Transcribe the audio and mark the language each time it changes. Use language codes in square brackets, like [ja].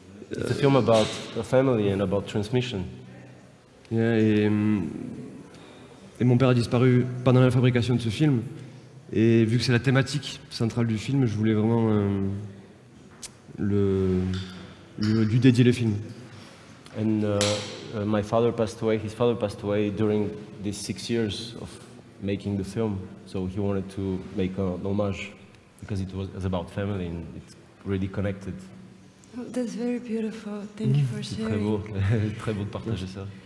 [en] It's a film about a family and about transmission. [fr] Yeah, et mon père a disparu pendant la fabrication de ce film. Et vu que c'est la thématique centrale du film, je voulais vraiment lui dédier le film. [en] And my father passed away. His father passed away during these 6 years of making the film. So he wanted to make an homage because it was about family and it's really connected. That's very beautiful. Thank you for sharing. [fr] Très beau. Très beau de partager ça.